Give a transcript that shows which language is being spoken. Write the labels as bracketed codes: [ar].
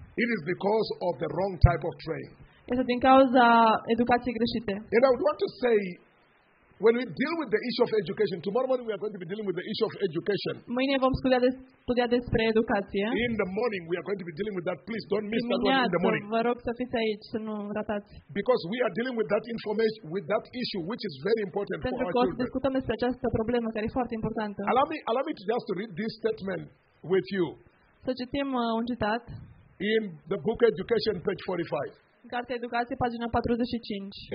[en] It is because of the wrong type of training. [ro] Este din cauza educației greșite. [en] And I would want to say, when we deal with the issue of education, tomorrow morning we are going to be dealing with the issue of education. [ro] Mâine vom studia despre educație. [en] In the morning we are going to be dealing with that. Please don't miss that one in the morning. [ro] Vă rog să fiți aici, să nu ratați. [en] Because we are dealing with that information, with that issue, which is very important [ro] pentru [en] for our children. [ro] Discutăm despre această problemă care e foarte importantă. [en] Allow me to just read this statement with you. [ro] Să citim un citat. [en] In the book Education, page 45. [ro] În cartea Educație, pagina 45.